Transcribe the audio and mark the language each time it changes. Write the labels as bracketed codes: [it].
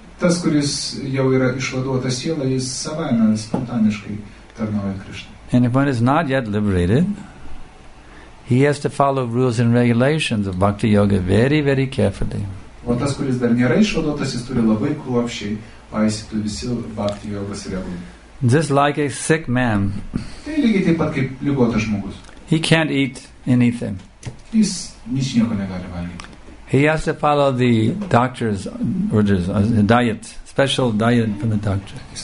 [lt] Tas, kuris jau yra išvaduota siela, jis savaime spontaniškai tarnauja Krishna. [en] And if one is not yet liberated, he has to follow rules and regulations of bhakti yoga very, very carefully. [lt] O tas, kuris dar nėra išvaduotas, jis turi labai kruopščiai paisyti visi bhakti yogos regulų. [en] Just like a sick man. [lt] Tai lygiai taip pat kaip ligotas žmogus. [en] He can't eat anything. [lt] Jis ničnieko negali valgyti. [en] He has to follow the doctor's orders, a diet, special diet from the doctor.